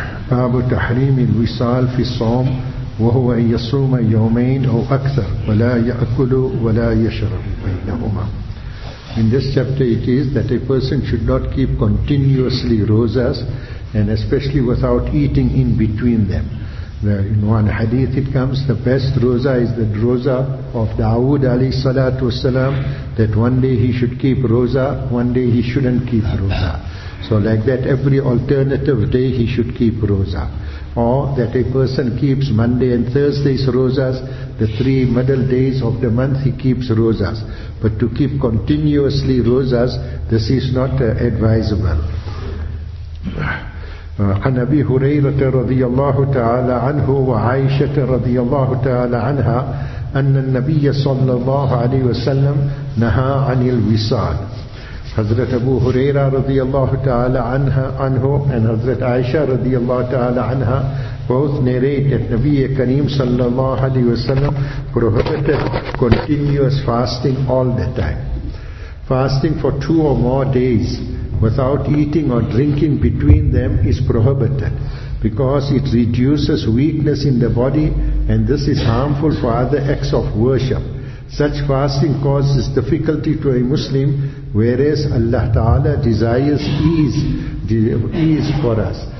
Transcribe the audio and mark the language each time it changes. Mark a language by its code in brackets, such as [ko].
[ar] باب تحريم الوصال في الصوم وهو أن يصوم يومين أو أكثر ولا يأكل ولا يشرب بينهما. [en] In this chapter it is that a person should not keep continuously rosas and especially without eating in between them. In one hadith it comes, the best roza is the roza of Dawood alayhi salatu wasalam, that one day he should keep roza, one day he shouldn't keep roza. So like that, every alternative day he should keep roza. Or that a person keeps Monday and Thursday's rozas, the three middle days of the month he keeps rozas. But to keep continuously rozas, this is not advisable. [ar] عن أبي هريرة رضي الله تعالى عنه وعائشة رضي الله تعالى عنها أن النبي صلى الله عليه وسلم نهى عن الوصال. [en] حضرت أبو هريرة [ar] رضي الله تعالى عنها عنه [en] and حضرت عائشة [ar] رضي الله تعالى عنها [en] both narrate that نبي كريم [ar] صلى الله عليه وسلم [en] prohibited continuous fasting all the time. Fasting for two or more days without eating or drinking between them is prohibited because it reduces weakness in the body and this is harmful for other acts of worship. Such fasting causes difficulty to a Muslim, whereas Allah Ta'ala desires ease for us.